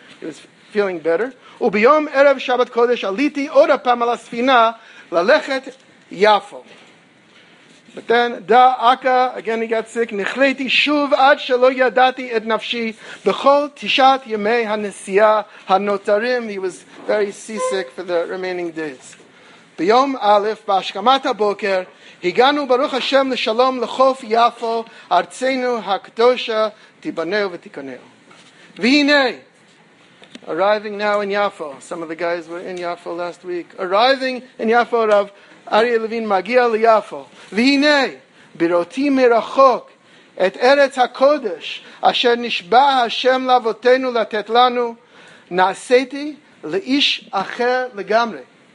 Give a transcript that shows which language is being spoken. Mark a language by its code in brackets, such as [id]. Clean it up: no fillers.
[en] He was feeling better. [he] וביום ערב שבת קודש עליתי עוד הפעם על הספינה ללכת יפו. [en] But then, da aka, again he got sick, [he] נחליתי שוב עד שלא ידעתי את נפשי בכל תשעת ימי הנסיעה הנותרים. [en] He was very seasick for the remaining days. [he] ביום א', בהשכמת הבוקר, הגענו ברוך השם לשלום לחוף יפו, ארצנו הקדושה, תיבנהו ותיכנהו. [en] והנה, arriving now in Yafo, some of the guys were in Yafo last week, arriving in Yafo, Rav, [he] אריה לוין מגיע ליפו, והנה, Biroti merachok et eretz hakodesh asher nishba Hashem lavotenu latet lanu naseti leish acher legamre.